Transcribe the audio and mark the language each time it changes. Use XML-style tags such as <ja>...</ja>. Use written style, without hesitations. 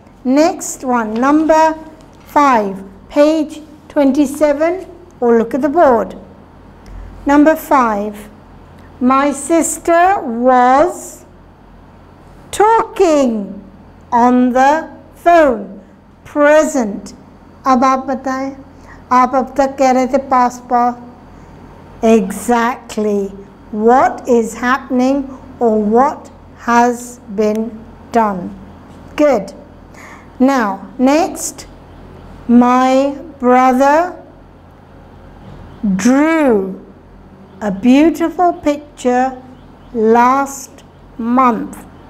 <en>Next one, number five, page 27, or look at the board. Number five, my sister was talking on the phone.</en> <hi>Present. अब आप बताए। आप अब तक कह रहे थे past.</hi> <en>Exactly. What is happening or what has been done. Good. Now, next, my brother drew a beautiful picture last month.</en>